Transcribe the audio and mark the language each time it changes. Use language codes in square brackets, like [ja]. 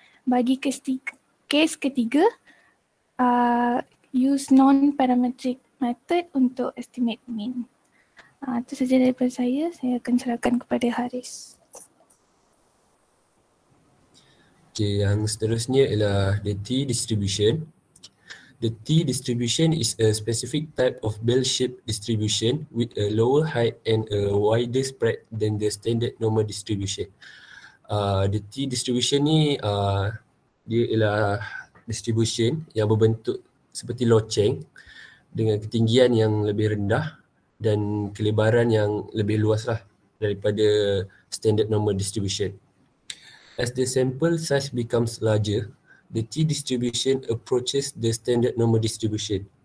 [en] Bagi case ketiga, use non-parametric method untuk estimate mean. [ms] Itu sahaja daripada saya. Saya akan serahkan kepada Haris. Okay, yang seterusnya ialah the T distribution. [en] The T distribution is a specific type of bell-shaped distribution with a lower height and a wider spread than the standard normal distribution. [ms] The T distribution ni dia ialah distribution yang berbentuk seperti loceng dengan ketinggian yang lebih rendah dan kelebaran yang lebih luas lah daripada standard normal distribution. [en] As the sample size becomes larger, the T distribution approaches the standard normal distribution.